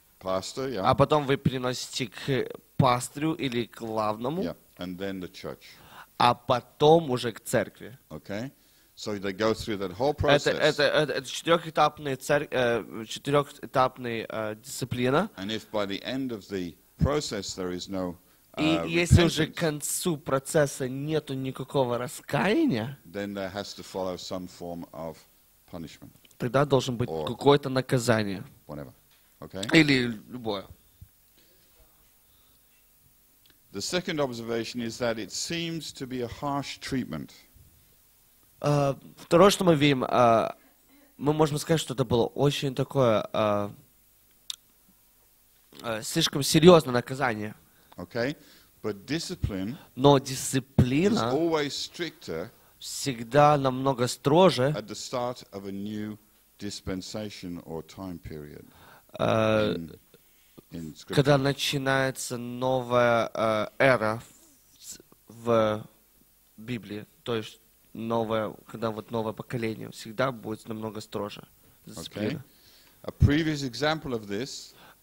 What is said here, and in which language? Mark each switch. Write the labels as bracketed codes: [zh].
[en] Pastor, yeah. [ru] А потом вы приносите к пастору или к главному. [en] Yeah. And then the church. [ru] А потом уже к церкви. [en] Okay. So they go through that whole process. [ru] Это четырехэтапная дисциплина. [en] And if by the end of the process there is no [ru] если уже к концу процесса нету никакого раскаяния, [en] then there has to follow some form of punishment. [ru] Тогда должен быть какое-то наказание. [en] Whatever. Okay. [ru] Или любое. [en] The second observation is that it seems to be a harsh treatment. [ru] Второе, что мы видим, мы можем сказать, что это было очень такое слишком серьезное наказание. [en] Okay. But discipline. [ru] Но дисциплина [en] is always stricter [ru] всегда намного строже [en] at the start of a new dispensation or time period. In scripture. [ru] Когда начинается новая эра в Библии, то есть новое, когда вот новое поколение, всегда будет намного строже. [en] Okay. A previous example of this.